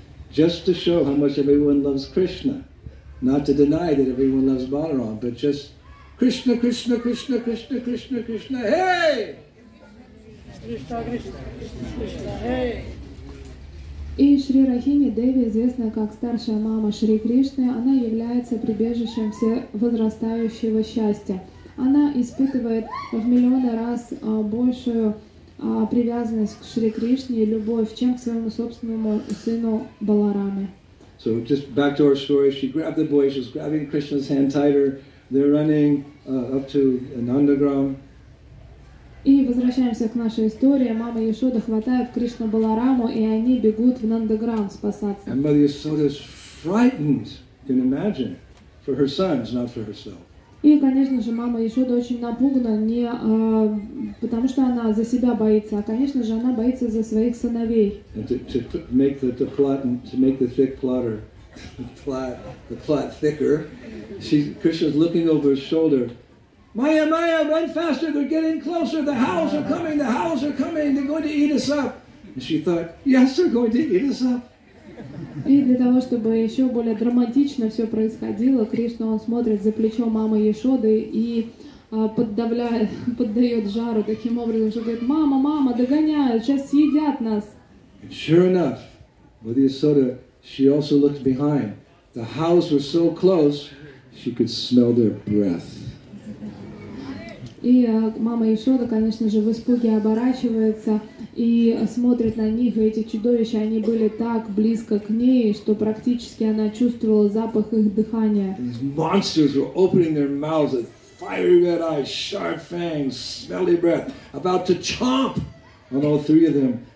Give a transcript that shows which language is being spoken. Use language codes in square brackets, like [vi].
[en] Just to show how much everyone loves Krishna. Not to deny that everyone loves Balaram, but just Krishna, Krishna, Krishna, Krishna, Krishna, Krishna, hey! Krishna, Krishna, Krishna, Krishna, hey! [ru] И Шри Рахини Деви, известная как старшая мама Шри Кришны, она является прибежищем всевозрастающего счастья. Она испытывает в миллионы раз большую привязанность к Шри Кришне и любовь, чем к своему собственному сыну Балараме. [en] So just back to our story, she grabbed the boy, she's grabbing Krishna's hand tighter, they're running up to Nandagram. [ru] И возвращаемся к нашей истории, мама Яшода хватает Кришну Балараму, и они бегут в Нандаграм спасаться. [en] And Mother Yasoda is frightened, you can imagine. for her sons, not for herself. [ru] И, конечно же, мама Ясоды очень напугана не потому, что она за себя боится, а, конечно же, она боится за своих сыновей. [en] And to make the plot and to make the thick plotter the plot thicker, Krishna's looking over his shoulder. Maya, Maya, run faster, they're getting closer, the house are coming, they're going to eat us up. And she thought, yes, they're going to eat us up. [ru] И для того, чтобы еще более драматично все происходило, Кришна, он смотрит за плечо мамы Яшоды и поддает жару таким образом, что говорит, мама, догоняют, сейчас съедят нас. [en] And sure enough, with Yasoda, she also looked behind. The house was so close, she could smell their breath. [ru] И мама Ясода, конечно же, в испуге оборачивается и смотрит на них, и эти чудовища, они были так близко к ней, что практически она чувствовала запах их дыхания. [en] These monsters were opening their mouths with fiery red eyes, sharp fangs, smelly breath, about to chomp on all three of them.